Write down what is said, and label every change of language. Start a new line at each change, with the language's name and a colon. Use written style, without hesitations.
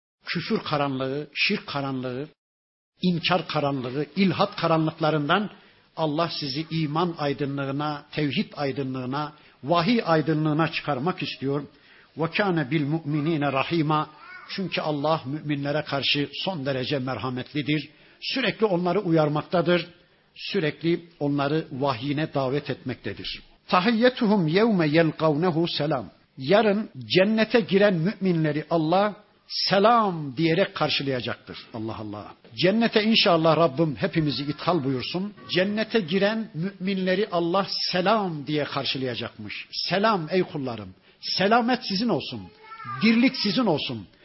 Turkish: Küfür karanlığı, şirk karanlığı, inkar karanlığı, ilhat karanlıklarından Allah sizi iman aydınlığına, tevhid aydınlığına, vahiy aydınlığına çıkarmak istiyor.
Arabic: وَكَانَ بِالْمُؤْمِن۪ينَ رَح۪يمًا
Turkish: Çünkü Allah müminlere karşı son derece merhametlidir. Sürekli onları uyarmaktadır. Sürekli onları vahyine davet etmektedir.
Arabic: تَحِيَّتُهُمْ يَوْمَ يَلْقَوْنَهُ selam.
Turkish: Yarın cennete giren müminleri Allah selam diyerek karşılayacaktır. Allah Allah. Cennete inşallah Rabbim hepimizi ithal buyursun. Cennete giren müminleri Allah selam diye karşılayacakmış. Selam ey kullarım. Selamet sizin olsun. Dirlik sizin olsun.